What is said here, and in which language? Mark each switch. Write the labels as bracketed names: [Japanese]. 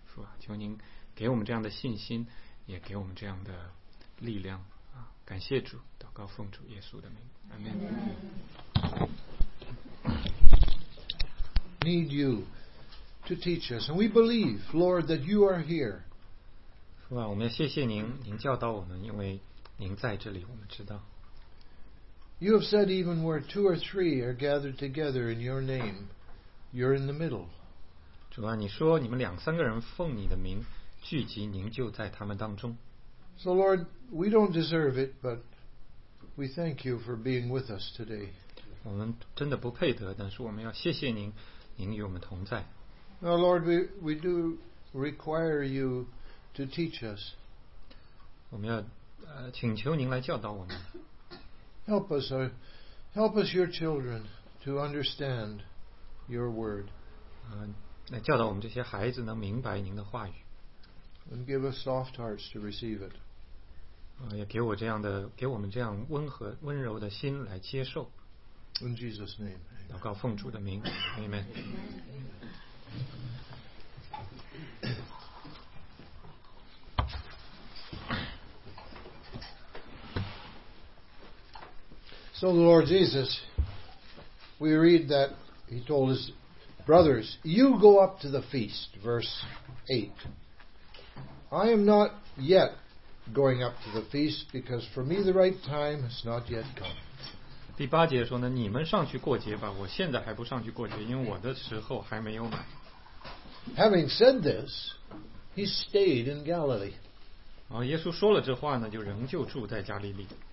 [Chinese] 父啊，求您给我们这样的信心，也给我们这样的力量啊！感谢主，祷告奉主耶稣的名，阿门。 [English] Need you to teach us, and we believe, Lord, that you are here. [Chinese] 是吧？我们要谢谢您，您教导我们，因为您在这里，我们知道。 [English] You have said even where two or three are gathered together in your name, you're in the middle. [Chinese] 主啊，你说你们两三个人奉你的名。聚集您就在他们当中。 [English] So Lord, we don't deserve it, but we thank you for being with us today. [Chinese] 我们真的不配得，但是我们要谢谢您，您与我们同在。 [English] Now Lord, we do require you to teach us. [Chinese] 我们要请求您来教导我们。 [English] Help us your children to understand your word. [Chinese] 来教导我们这些孩子能明白您的话语。 [English] And give us soft hearts to receive it. [Chinese] 也给我这样的，给我们这样温和温柔的心来接受。 [English] In Jesus' name. [Chinese] 祷告奉主的名 ，Amen. [English] So the Lord Jesus, we read that He told his brothers, you go up to the feast, verse 8. I am not yet going up to the feast because for me the right time has not yet come. [Chinese] 第八节说呢，你们上去过节吧，我现在还不上去过节，因为我的时候还没有满。 [English] Having said this, he stayed in Galilee. [Chinese] 然后耶稣说了这话呢，就仍旧住在加利利。